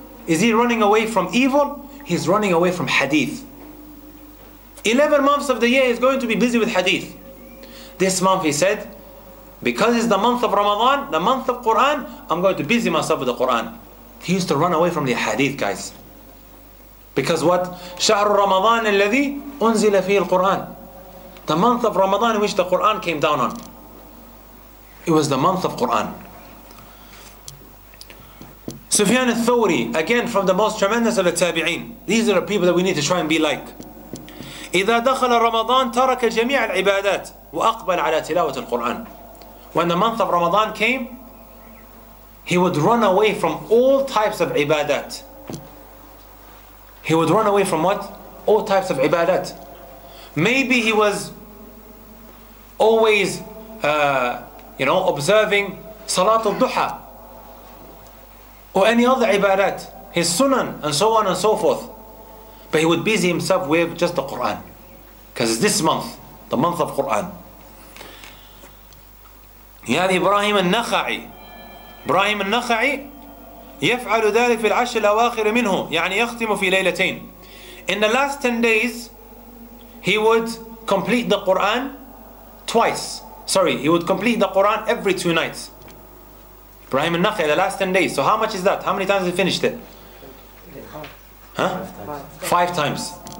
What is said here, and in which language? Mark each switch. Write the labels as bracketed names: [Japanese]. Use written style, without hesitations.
[English] Is he running away from evil? He's running away from hadith. 11 months of the year, he's going to be busy with hadith. This month, he said, because it's the month of Ramadan, the month of Quran, I'm going to busy myself with the Quran. He used to run away from the hadith, guys. Because what? [Arabic] شهر رمضان الذي أنزل فيه القرآن. [English] The month of Ramadan in which the Quran came down on. It was the month of Quran. Sufyan al-Thawri, again from the most tremendous of the tabi'een. These are the people that we need to try and be like. [Arabic] إذا دخل رمضان ترك جميع العبادات وأقبل على تلاوة القرآن. [English] When the month of Ramadan came, he would run away from all types of ibadat. He would run away from what? All types of ibadat. Maybe he was always, observing Salatul Duha or any other ibadat, his sunan and so on and so forth. But he would busy himself with just the Quran. Because it's this month, the month of Quran. Yani Ibrahim al-Nakha'i. Ibrahim al-Nakha'i. [Arabic] يفعل ذلك في العشر الأواخر منه يعني يختم في ليلتين. [English] In the last 10 days he would complete the Quran twice. Sorry, he would complete the Quran every two nights. Ibrahim al-Nakhi, the last 10 days. So how much is that? How many times he finished it? Five times.